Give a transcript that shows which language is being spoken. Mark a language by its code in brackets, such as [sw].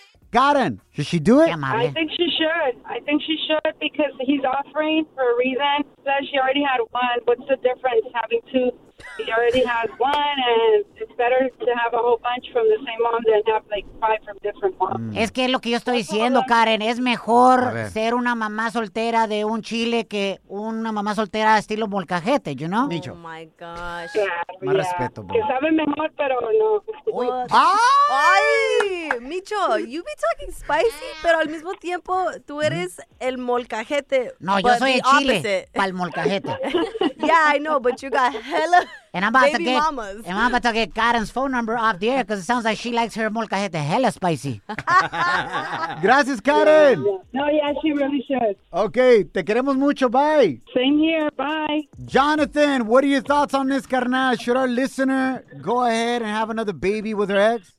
[en] Garden, should she do it? I think she should. I think she should because he's offering for a reason. Says she already had one. What's the difference having two? He already has one, and it's better to have a whole bunch from the same mom than have like five from different moms. [es] Es que es lo que yo estoy diciendo, Karen. Es mejor ser una mamá soltera de un chile que una mamá soltera estilo molcajete, [en] you know? Oh, my gosh. Yeah, [es] más respeto, bro. Que sabe mejor, pero no. ¡Ay! [en] ¡Ay! Micho, you be talking spicy. [es] sí, pero al mismo tiempo tú eres el molcajete. No, yo soy el chile para el molcajete. [en] Yeah, I know, but you got hella and I'm about baby to get, mamas. And I'm about to get Karen's phone number off the air because it sounds like she likes her molcajete hella spicy. [es] Gracias, Karen. [en] Yeah. No, yeah, she really should. [es] Okay, te queremos mucho. Bye. [en] Same here. Bye. Jonathan, what are your thoughts on this, carnal? Should our listener go ahead and have another baby with her ex?